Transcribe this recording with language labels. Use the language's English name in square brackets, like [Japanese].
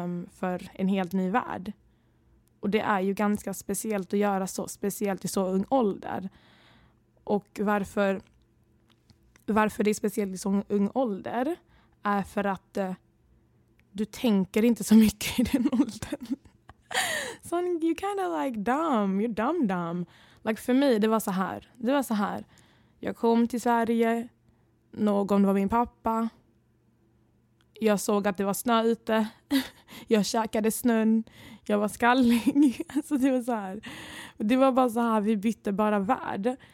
[Swedish] För en helt ny värld. Och det är ju ganska speciellt att göra så, speciellt i så ung ålder. Och varför det är speciellt i så ung ålder är för att du tänker inte så mycket i den åldern. [English] So you kind of like dumb, you're dumb. [Swedish] Like för mig det var så här. Jag kom till Sverige, någon var min pappa. Jag såg att det var snö ute. Jag käkade snön. Jag var skallig. Alltså det var så här. Det var bara så här, vi bytte bara värld.